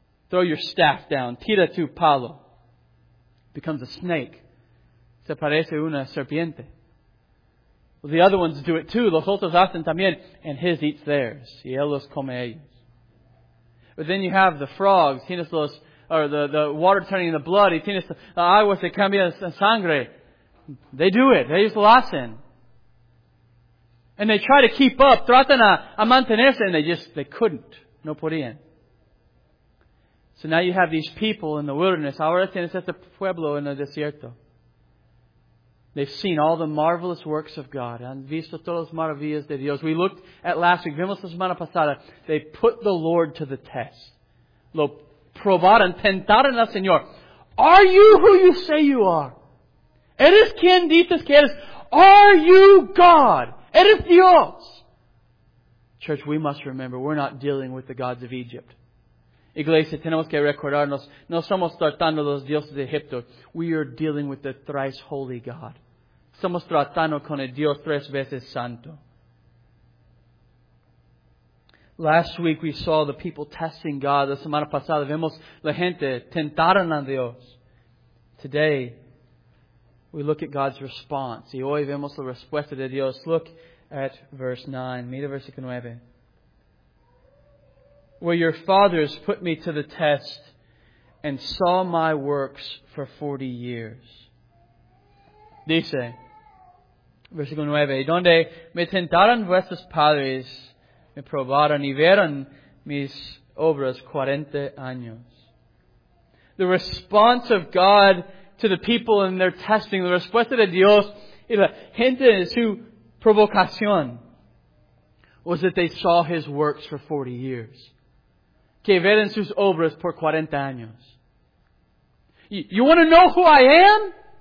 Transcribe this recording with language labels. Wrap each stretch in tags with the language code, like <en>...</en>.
<en>Throw your staff down.</en> <es>Tira tu palo.</es> <en>Becomes a snake.</en> <es>Se parece una serpiente.</es> <en>Well, the other ones do it too.</en> <es>Los otros hacen también.</es> <en>And his eats theirs.</en> <es>Y él los come ellos.</es> <en>But then you have the frogs.</en> <es>Tienes los,</es> <en>or the water turning into blood.</en> <es>Y tienes la agua se cambia en sangre.</es> <en>They do it. They just lasten. And they try to keep up.</en> <es>Tratan a mantenerse.</es> <en>And they couldn't.</en> <es>No podían.</es> <en>So now you have these people in the wilderness.</en> <es>Ahora tienes este pueblo en el desierto.</es> <en>They've seen all the marvelous works of God.</en> <es>Han visto todas las maravillas de Dios.</es> <en>We looked at last week.</en> <es>Vimos la semana pasada.</es> <en>They put the Lord to the test.</en> <es>Lo probaron. Tentaron al Señor.</es> <en>Are you who you say you are?</en> <es>¿Eres quien dices que eres?</es> <en>Are you God?</en> <es>¿Eres Dios?</es> <en>Church, we must remember, we're not dealing with the gods of Egypt.</en> <es>Iglesia, tenemos que recordarnos, no somos tratando los dioses de Egipto.</es> <en>We are dealing with the thrice holy God.</en> <es>Somos tratando con el Dios tres veces santo.</es> <en>Last week we saw the people testing God.</en> <es>La semana pasada vemos la gente tentaron a Dios.</es> <en>Today, we look at God's response.</en> <es>Y hoy vemos la respuesta de Dios.</es> <en>Look at verse 9.</en> <es>Mira versículo 9.</es> <en>Where your fathers put me to the test and saw my works for 40 years.</en> <es>Dice, versículo 9. Donde me tentaron vuestros padres, me probaron y vieron mis obras 40 años.</es> <en>The response of God to the people and their testing, the</en> <es>respuesta de Dios y la gente de su provocación</es> <en>was that they saw His works for 40 years.</en> <es>Que vieron sus obras por 40 años.</es> <en>You want to know who I am?</en>